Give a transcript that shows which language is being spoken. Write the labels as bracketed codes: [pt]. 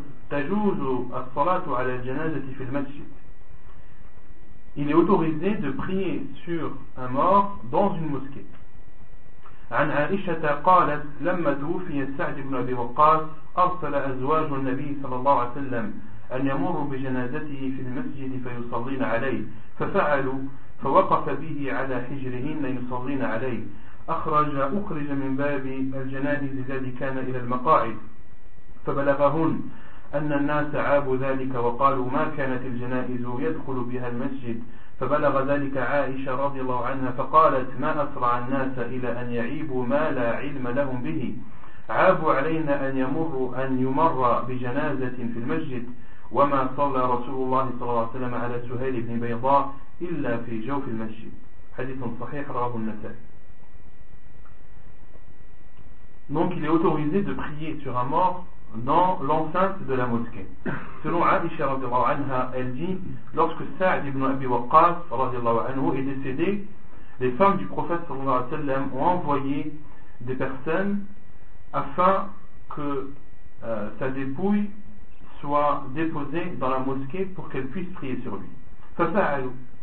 [ar] تجوز الصلاة على الجنازة في المسجد. [fr] Il est autorisé de prier sur un mort dans une mosquée. [ar] عن عائشة قالت لما توفي سعد بن أبي وقاص أرسل أزواج النبي صلى الله عليه وسلم أن يمر بجنازته في المسجد فيصلين عليه ففعلوا فوقف به على حجرهن يصلين عليه أخرج من باب الجنائز الذي كان إلى المقاعد فبلغهن أن الناس عابوا ذلك وقالوا ما كانت الجنائز يدخل بها المسجد فبلغ ذلك عائشة رضي الله عنها فقالت ما أسرع الناس إلى أن يعيبوا ما لا علم لهم به عابوا علينا أن يمر بجنازة في المسجد وما صلى رسول الله صلى الله عليه وسلم على سهيل بن بيضاء إلا في جوف المسجد حديث صحيح رواه النسائي. [fr] Donc il est autorisé de prier sur un mort dans l'enceinte de la mosquée. Selon Aisha radiallahu anha, elle dit, lorsque Sa'd ibn Abi Waqqas radiallahu anhu est décédé, les femmes du prophète sallallahu alayhi wa sallam ont envoyé des personnes afin que sa dépouille soit déposée dans la mosquée pour qu'elle puisse prier sur lui. [ar] Fafa'alou.